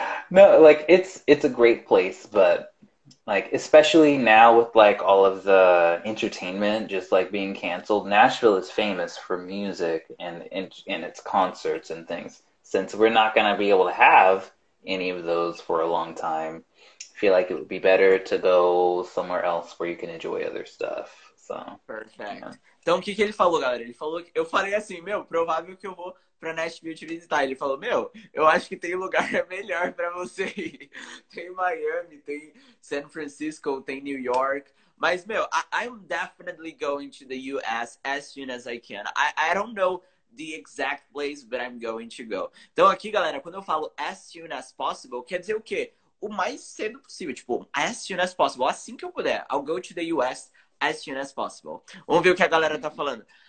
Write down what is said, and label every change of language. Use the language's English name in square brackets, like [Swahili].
[English] No, like, it's a great place, but like, especially now with like all of the entertainment just like being canceled, Nashville is famous for music and its concerts and things. Since we're not going to be able to have any of those for a long time. I feel like it would be better to go somewhere else where you can enjoy other stuff. So, perfect. Yeah. [Portuguese] Então, o que, que ele falou, galera? Ele falou que... Eu falei assim, meu, provável que eu vou pra Nashville te visitar. Ele falou, meu, eu acho que tem lugar melhor pra você ir. Tem Miami, tem San Francisco, tem New York. Mas, meu, [English] I'm definitely going to the U.S. as soon as I can. I don't know the exact place, but I'm going to go. [Portuguese] Então, aqui, galera, quando eu falo [English] as soon as possible, [Portuguese] quer dizer o quê? O mais cedo possível. Tipo, [English] as soon as possible. [Portuguese] Assim que eu puder. [English] I'll go to the U.S. as soon as possible. [Portuguese] Vamos ver o que a galera tá falando.